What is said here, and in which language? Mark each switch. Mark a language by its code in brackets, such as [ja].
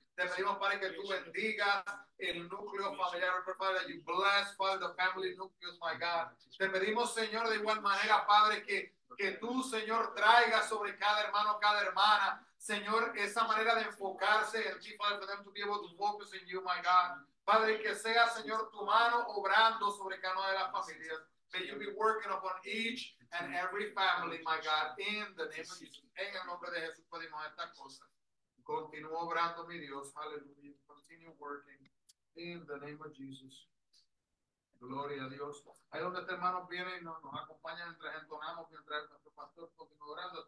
[es] Te pedimos, Padre, que tú bendigas el núcleo familiar, Padre, [en] that you bless, Father, the family nucleus, my God. [es] Te pedimos, Señor, de igual manera, Padre, que tú, Señor, traigas sobre cada hermano, cada hermana, Señor, esa manera de enfocarse en ti, Father, [en] for them to be able to focus in you, my God. [es] Padre, que sea, Señor, tu mano obrando sobre cada una de las familias. [en] May you be working upon each and every family, my God, in the name of Jesus. [es] En el nombre de Jesús pedimos estas cosas. Continúo obrando, mi Dios. Hallelujah. [en] Continue working. In the name of Jesus. [es] Gloria a Dios. Ahí donde este hermano viene y nos acompaña mientras entonamos, mientras nuestro pastor continúa orando.